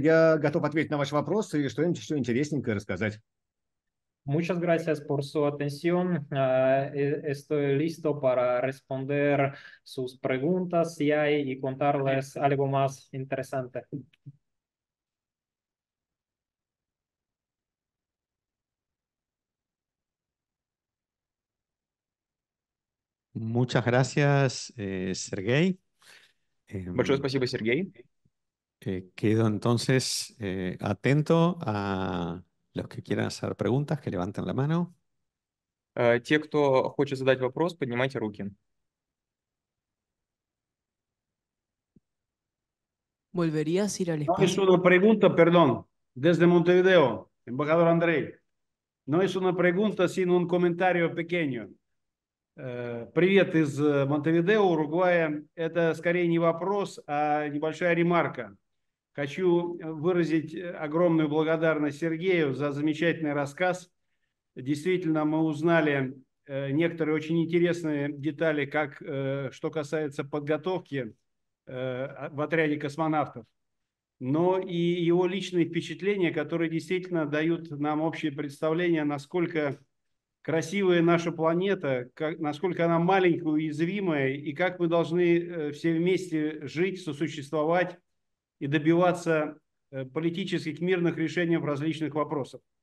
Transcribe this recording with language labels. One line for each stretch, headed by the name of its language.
Russian: Я готов ответить на ваши вопросы и что-нибудь еще интересненькое рассказать.
Spanish: Muchas gracias por su atención. Estoy listo para responder sus preguntas si hay y contarles algo más interesante. Muchas gracias, Sergey.
Russian: Большое спасибо, Сергей.
Spanish: Quedo entonces atento a los que quieran hacer preguntas, que levanten la mano.
Russian: Те, кто хочет задать вопрос, поднимайте руки.
Spanish: Volvería a ir al espacio. No es una pregunta, perdón, desde Montevideo, embajador Andrei. No es una pregunta, sino un comentario pequeño.
Russian: Привет из Монтевидео, Уругвая. Это скорее не вопрос, а небольшая ремарка. Хочу выразить огромную благодарность Сергею за замечательный рассказ. Действительно, мы узнали некоторые очень интересные детали, как, что касается подготовки в отряде космонавтов, но и его личные впечатления, которые действительно дают нам общее представление, насколько красивая наша планета, как, насколько она маленькая, уязвимая, и как мы должны все вместе жить, сосуществовать и добиваться политических мирных решений в различных вопросах.